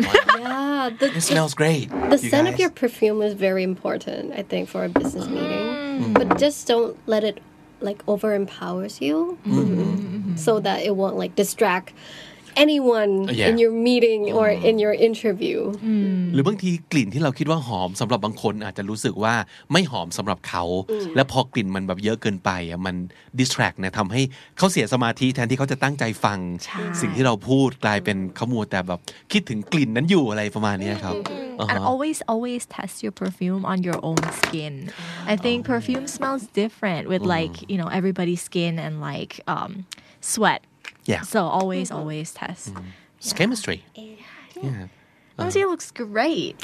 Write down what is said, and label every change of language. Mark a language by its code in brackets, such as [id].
[en] Yeah, it smells great. The scent of your perfume is very important, I think, for a business meeting. But just don't let it like overempowers you, so that it won't like distract anyone in your meeting or in your interview. [th] หรือบางทีกลิ่นที่เราคิดว่าหอมสำหรับบางคนอาจจะรู้สึกว่าไม่หอมสำหรับเขาแล้วพอกลิ่นมันแบบเยอะเกินไปมัน distract นะทำให้เขาเสียสมาธิแทนที่เขาจะตั้งใจฟังสิ่งที่เราพูดกลายเป็นขมัวแต่แบบคิดถึงกลิ่นนั้นอยู่อะไรประมาณนี้ครับ [en] And always test your perfume on your own skin. I think perfume smells different with like, you know, everybody's skin and like sweat. Yeah. So always test. Mm-hmm. It's chemistry. Yeah. Honestly, it looks great.